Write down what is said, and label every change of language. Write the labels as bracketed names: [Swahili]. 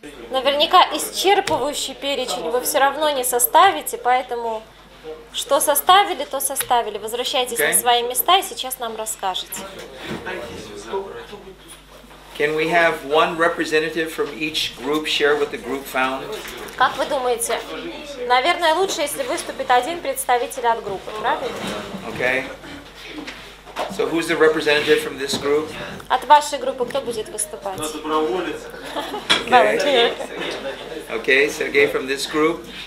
[Russian] Наверняка исчерпывающий перечень вы все равно не составите, поэтому... Что составили, то составили. Возвращайтесь на свои места и сейчас нам расскажете. [English] Can we have one representative from each group share what the group found? [Russian] Как вы думаете? Наверное, лучше, если выступит один представитель от группы, правильно? [English] Okay. So who's the representative from this group? [Russian] От вашей группы кто будет выступать? Доброволец. [English] Okay, Сергей from this group.